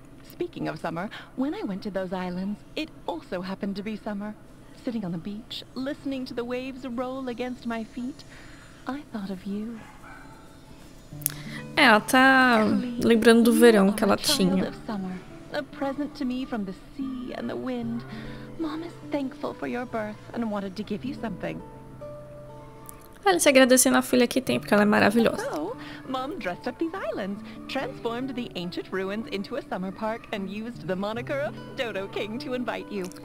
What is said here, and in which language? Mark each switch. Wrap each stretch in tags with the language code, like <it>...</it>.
<en>Speaking of summer, when I went to those islands, it also happened to be summer. Sitting on the beach, listening to the waves roll against my feet, I thought of you.</en> <pt>É, ela tá lembrando do verão que ela tinha.</pt> <en>Child of summer, a present to me from the sea and the wind. Mom is thankful for your birth and wanted to give you something.</en> <pt>Ela se agradecendo a filha que tem, porque ela é maravilhosa.</pt> <en>So, Mom dressed up these islands, transformed the ancient ruins into a summer park and used the moniker of Dodo King to invite you.</en>